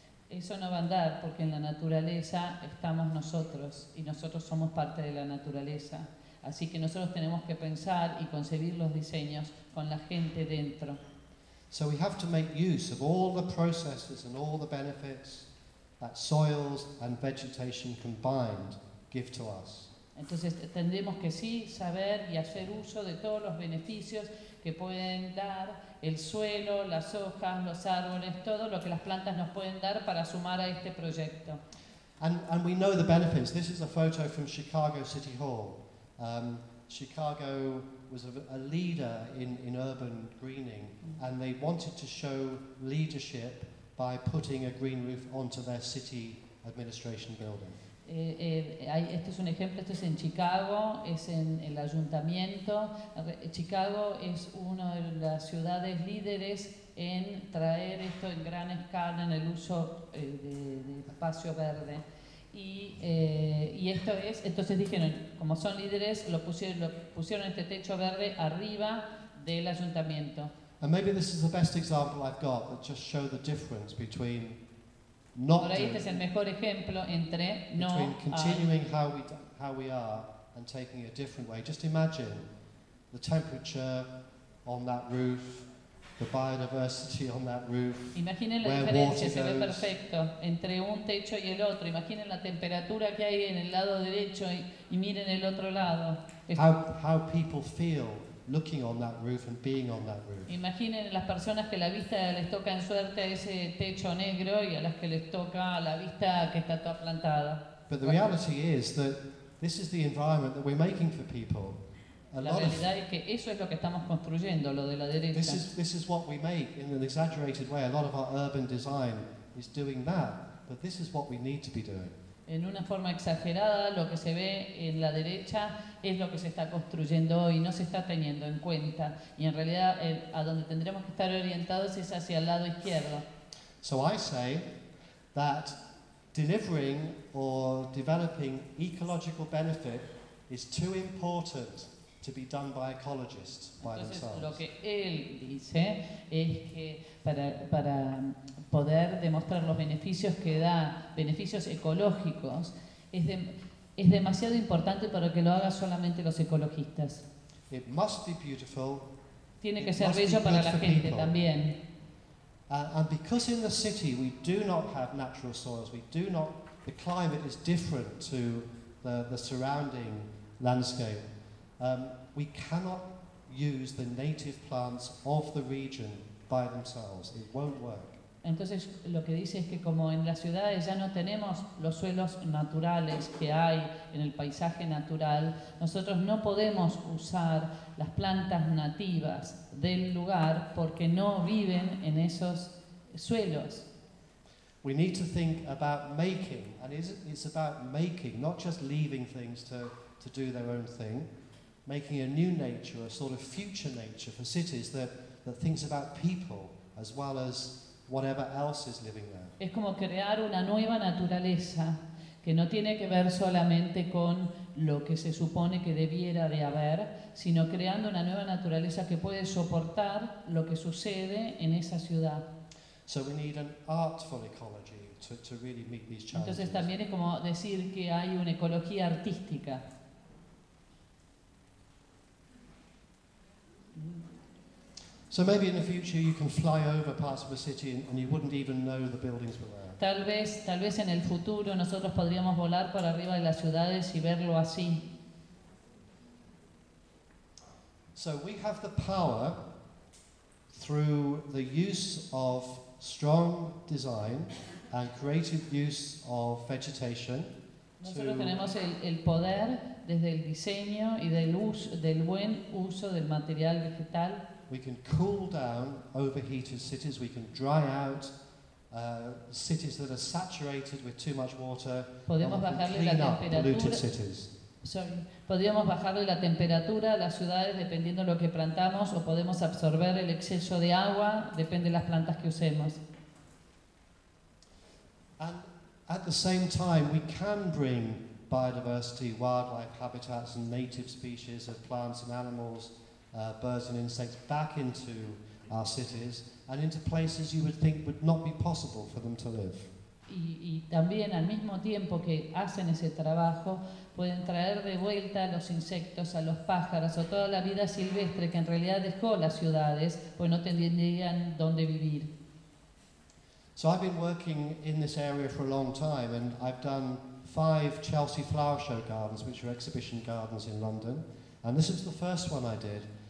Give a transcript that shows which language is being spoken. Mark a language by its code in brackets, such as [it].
[es] Eso no va a andar porque en la naturaleza estamos nosotros y nosotros somos parte de la naturaleza. Así que nosotros tenemos que pensar y concebir los diseños con la gente dentro. [en] So we have to make use of all the processes and all the benefits that soils and vegetation combined give to us. [es] Entonces tendremos que sí saber y hacer uso de todos los beneficios que pueden dar el suelo, las hojas, los árboles, todo lo que las plantas nos pueden dar para sumar a este proyecto. [en] And we know the benefits. This is a photo from Chicago City Hall. Chicago was a leader in urban greening, and they wanted to show leadership by putting a green roof onto their city administration building. [es] Este es un ejemplo, esto es en Chicago, es en el ayuntamiento. Chicago es una de las ciudades líderes en traer esto en gran escala en el uso de espacio verde. Y esto es, entonces dijeron, como son líderes, lo pusieron este techo verde arriba del ayuntamiento. [en] And maybe this is the best example I've got that just shows the difference between not doing. [es] Este es el mejor ejemplo entre no. [en] Between continuing how we are and taking a different way. Just imagine the temperature on that roof. The biodiversity on that roof. [es] Imaginen la diferencia, se ve perfecto entre un techo y el otro. Imaginen la temperatura que hay en el lado derecho y miren el otro lado. [en] How people feel looking on that roof and being on that roof. [es] Imaginen las personas que la vista les toca en suerte ese techo negro y a las que les toca la vista que está toda plantada. [en] But the reality is that this is the environment that we're making for people. [es] La realidad es que eso es lo que estamos construyendo, lo de la derecha. [en] This is what we make in an exaggerated way. A lot of our urban design is doing that, but this is what we need to be doing. [es] En una forma exagerada, lo que se ve en la derecha es lo que se está construyendo hoy, no se está teniendo en cuenta. Y en realidad, a donde tendremos que estar orientados es hacia el lado izquierdo. [en] So I say that delivering or developing ecological benefit is too important to be done by ecologists by [es] entonces, [en] themselves. [es] Lo que él dice es que para poder demostrar los beneficios que da, beneficios ecológicos, es demasiado importante para que lo haga solamente los ecologistas. [en] It must be beautiful. [es] Tiene que ser bello para la gente también. [en] And because in the city we do not have natural soils, we do not, the climate is different to the surrounding landscape. We cannot use the native plants of the region by themselves. It won't work. [es] Entonces, lo que dice es que como en las ciudades ya no tenemos los suelos naturales que hay en el paisaje natural, nosotros no podemos usar las plantas nativas del lugar porque no viven en esos suelos. [en] We need to think about making, and it's about making, not just leaving things to do their own thing. Making a new nature, a sort of future nature for cities that thinks about people as well as whatever else is living there. [es] Es como crear una nueva naturaleza que no tiene que ver solamente con lo que se supone que debiera de haber, sino creando una nueva naturaleza que puede soportar lo que sucede en esa ciudad. [en] So we need an artful ecology to really meet these challenges. [es] Entonces también es como decir que hay una ecología artística. [en] So maybe in the future you can fly over parts of a city and you wouldn't even know the buildings were there. [es] Tal vez en el futuro nosotros podríamos volar por arriba de las ciudades y verlo así. [en] So we have the power through the use of strong design and creative use of vegetation. [es] Nosotros tenemos el poder desde el diseño y del buen uso del material vegetal. [en] We can cool down overheated cities. We can dry out cities that are saturated with too much water. [es] Podemos bajarle la temperatura. [en] Polluted cities. Sorry. [es] Podríamos bajarle la temperatura a las ciudades dependiendo de lo que plantamos o podemos absorber el exceso de agua, depende de las plantas que usemos. [en] And at the same time, we can bring biodiversity, wildlife habitats and native species of plants and animals, birds and insects back into our cities and into places you would think would not be possible for them to live. [es] Y también al mismo tiempo que hacen ese trabajo, pueden traer de vuelta a los insectos, a los pájaros o toda la vida silvestre que en realidad dejó las ciudades, pues no tendrían dónde vivir. [en] So I've been working in this area for a long time and I've done 5 Chelsea Flower Show gardens, which are exhibition gardens in London. And this is the first one I did.